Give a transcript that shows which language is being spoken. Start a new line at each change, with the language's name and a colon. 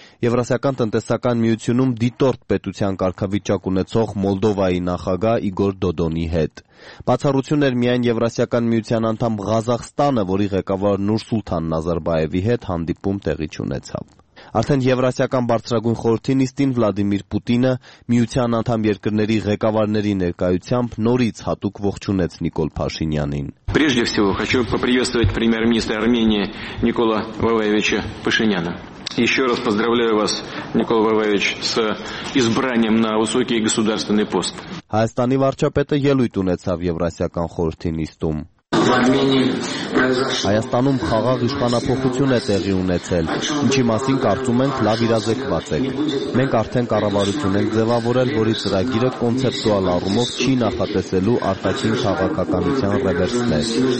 Armenian: Եվրասիական տնտեսական միությունում դիտորդ պետության կարգավիճակ ունեցող Մոլդովայի նախագահ Իգոր Դոդոնի հետ։ Բացառություն էր միայն Եվրասիական միության անդամ Ղազախստանը, որի ղեկավար Նուրսուլթան Նազարբայևի հետ հանդիպում տեղի ունեցավ։ Արդեն Եվրասիական բարձրագույն խորհրդի նիստին Վլադիմիր Պուտինը միության անդամ երկրների ղեկավարների ներկայությամբ նորից հատուկ ողջունեց Նիկոլ Փաշինյանին։
Russian: Прежде всего хочу поприветствовать премьер-министра Армении Никола Валерьевича Пашиняна. Еще раз поздравляю вас, Никола Валерьевич, с избранием на высокий государственный пост.
Armenian: Հայաստանի վարչապետը ելույթ ունեցավ Եվրասիական խորհրդի նիստում։ Հայաստանում խաղաղ իշխանապողություն է տեղի ունեցել, ինչի մասին կարծում ենք լավ իրազեկված ենք։ Մենք արդեն կառավարություն ենք ձևավորել, որի ծրագիրը կոնցեպտուալ առումով չի նախատեսելու արտաքին քաղաքականության ռևերսներ։